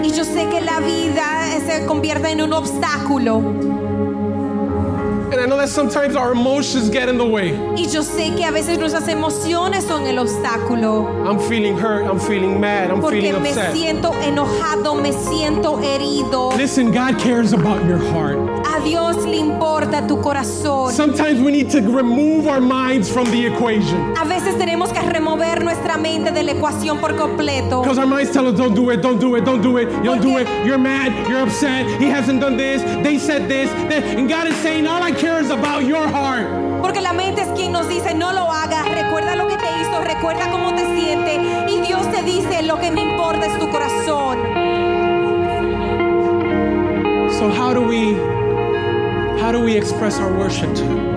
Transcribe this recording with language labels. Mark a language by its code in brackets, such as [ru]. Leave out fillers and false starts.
[es] Y yo sé que la vida se convierte en un obstáculo. [en] And I know that sometimes our emotions get in the way. [es] Y yo sé que a veces nuestras emociones son el obstáculo. [en] I'm feeling hurt, I'm feeling mad, I'm [es] porque [en] feeling [es] me [en] upset. [es] Siento enojado, me siento herido. [en] Listen, God cares about your heart. [es] A Dios le importa tu corazón. [en] Sometimes we need to remove our minds from the equation. [es] A veces tenemos que remover nuestra mente de la ecuación por completo. [en] Because our minds tell us, don't do it, don't do it, don't do it, don't do it. You're mad, you're upset, He hasn't done this, they said this, they, and God is saying, all I cares about your heart. [es] Porque la mente es quien nos dice no lo hagas, recuerda lo que te hizo, recuerda cómo te siente, y Dios te dice lo que me importa es tu corazón. [en] So how do we express our worship to Him?